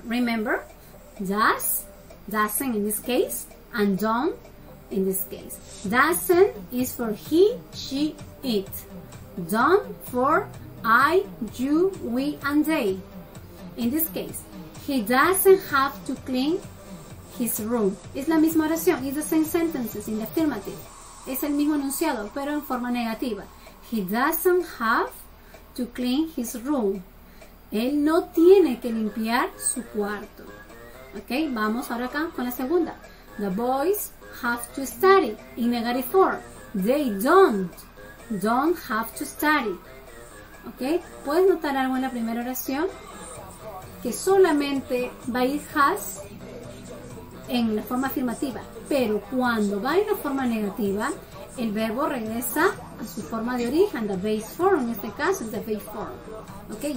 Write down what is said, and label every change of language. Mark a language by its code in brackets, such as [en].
[en] Remember, does, doesn't in this case, and don't in this case. Doesn't is for he, she, it. Don't for I, you, we, and they. In this case, he doesn't have to clean his room. [es] Es la misma oración. [en] It's the same sentences in the affirmative. [es] Es el mismo enunciado, pero en forma negativa. [en] He doesn't have to clean his room. [es] Él no tiene que limpiar su cuarto. Ok, vamos ahora acá con la segunda. [en] The boys have to study. In negative form, they don't have to study. [es] Ok, ¿puedes notar algo en la primera oración? Que solamente va a ir has en la forma afirmativa. Pero cuando va en la forma negativa, el verbo regresa a su forma de origen, [en] the base form, [es] en este caso es the base form. ¿Ok?